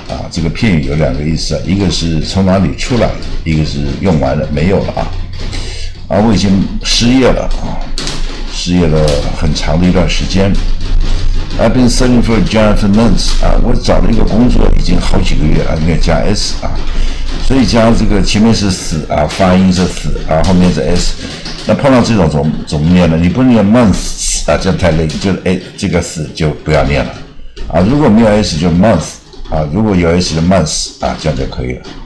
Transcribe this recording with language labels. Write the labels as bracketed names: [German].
[Chinese] 啊，这个片语有两个意思啊。一个是从哪里出来，一个是用完了没有了啊。啊，我已经失业了啊，失业了很长的一段时间。 [English] I've been searching for a job for months. [Chinese] 啊，我找了一个工作已经好几个月啊，应该加 s 啊。所以加这个前面是死啊，发音是死啊，后面是 s， 那碰到这种怎么念呢？你不念 months 啊，这样太累，就哎这个死就不要念了啊。如果没有 s 就 month 啊，如果有 s 就 months 啊，这样就可以了。